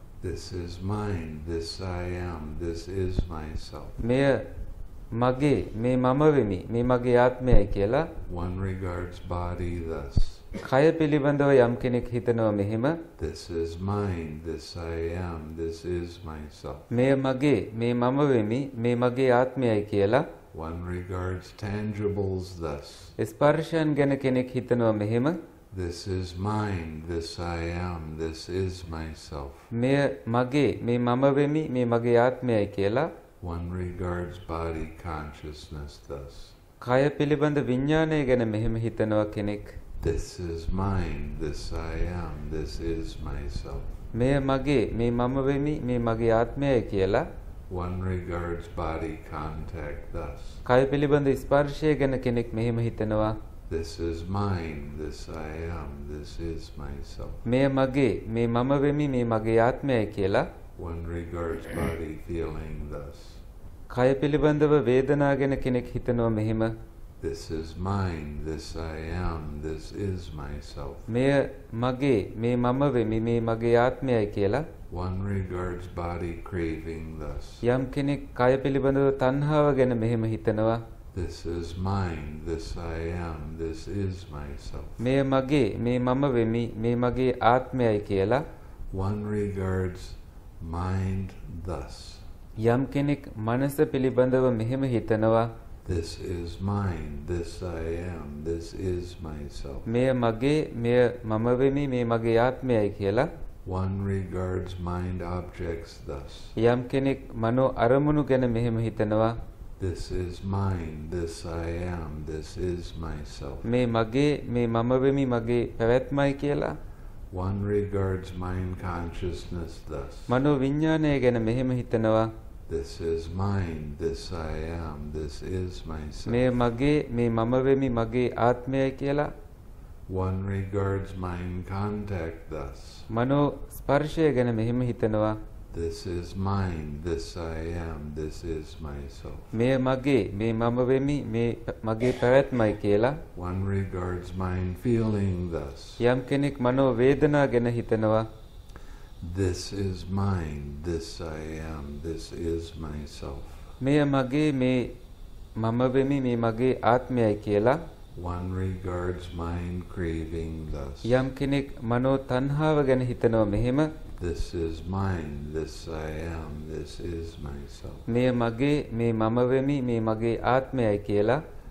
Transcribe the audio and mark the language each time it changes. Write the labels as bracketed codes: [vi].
[en] this is mine this I am this is myself [si] මෙය මගේ මේ මම වෙමි මේ මගේ ආත්මයයි කියලා [en] one regards body thus [si] කය පිළිබඳව යම් කෙනෙක් හිතනවා මෙහෙම [en] this is mine this I am this is myself [si] මෙය මගේ මේ මම වෙමි මේ මගේ ආත්මයයි කියලා [en] one regards tangibles thus [si] ස්පර්ශයන් ගැන කෙනෙක් හිතනවා මෙහෙම [en] this is mine this I am this is myself [si] මෙය මගේ මේ මම වෙමි මේ මගේ ආත්මයයි කියලා [en] one regards body consciousness thus [si] කය පිළිබඳ විඥානය ගැන මෙහෙම හිතනවා කෙනෙක් [en] this is mine this I am this is myself [si] මෙය මගේ මේ මම වෙමි මේ මගේ ආත්මයයි කියලා [en] one regards body contact thus [si] කය පිළිබඳ ස්පර්ශය ගැන කෙනෙක් මෙහෙම හිතනවා [en] this is mine this I am this is myself [si] මෙය මගේ මේ මම වෙමි මේ මගේ ආත්මයයි කියලා [en] one regards body feeling thus [si] කය පිළිබඳව වේදනා ගැන කෙනෙක් හිතනවා මෙහෙම [en] this is mine this I am this is myself [si] මෙය මගේ මේ මම වෙමි මේ මගේ ආත්මයයි කියලා [en] one regards body craving thus [si] යම් කෙනෙක් කය පිළිබඳව තණ්හාව ගැන මෙහෙම හිතනවා [en] this is mine this I am this is myself [si] මෙය මගේ මේ මම වෙමි මේ මගේ ආත්මයයි කියලා [en] one regards mind thus [si] යම් කෙනෙක් මනස පිළිබඳව මෙහෙම හිතනවා [en] this is mine this I am this is myself [si] මෙය මගේ මෙය මම වෙමි මේ මගේ ආත්මයයි කියලා [en] one regards mind objects thus [si] යම් කෙනෙක් මනෝ අරමුණු ගැන මෙහෙම හිතනවා [en] this is mine this I am this is myself [si] මේ මගේ මේ මම වෙමි මගේ පැවැත්මයි කියලා [en] one regards mind consciousness thus [si] මනෝ විඥානය ගැන මෙහෙම හිතනවා [en] this is mine this I am this is myself [si] මේ මගේ මේ මම වෙමි මගේ ආත්මයයි කියලා [en] one regards mind contact thus [si] මනෝ ස්පර්ශය ගැන මෙහෙම හිතනවා [en] this is mine this I am this is myself [si] මෙය මගේ මේ මම වෙමි මේ මගේ පැවැත්මයි කියලා [en] one regards mind feeling thus [si] යම් කෙනෙක් මනෝ වේදනා ගැන හිතනවා [en] this is mine this I am this is myself [si] මෙය මගේ මේ මම වෙමි මේ මගේ ආත්මයයි කියලා [en] one regards mind craving thus [si] යම් කෙනෙක් මනෝ තණ්හාව ගැන හිතනවා මෙහෙම [en] this is mine this I am this is myself [si] මෙය මගේ මේ මම වෙමි මේ මගේ ආත්මයයි කියලා